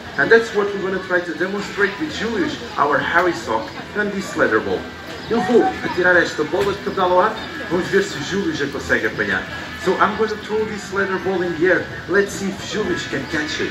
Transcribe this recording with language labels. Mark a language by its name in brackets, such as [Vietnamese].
[English] And that's what we're going to try to demonstrate with Julius, our Harry Sock, and this leather ball. [Portuguese] Eu vou atirar esta bola de cabedal ao ar, vamos ver se Julius já consegue apanhar. [English] So I'm going to throw this leather ball in the air, let's see if Julius can catch it.